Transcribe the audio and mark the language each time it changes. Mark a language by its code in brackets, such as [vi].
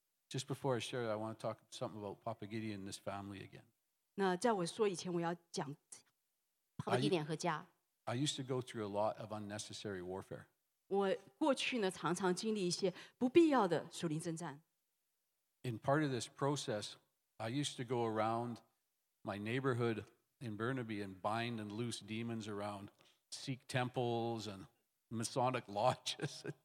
[en] Just before I share it, I want to talk something about Papa Gideon and this family again. [zh] 那在我说以前，我要讲，一点和家。I [en] used to go through a lot of unnecessary warfare. [zh] 我过去呢，常常经历一些不必要的属灵征战。In [en] part of this process, I used to go around my neighborhood in Burnaby and bind and loose demons around Sikh temples and Masonic lodges.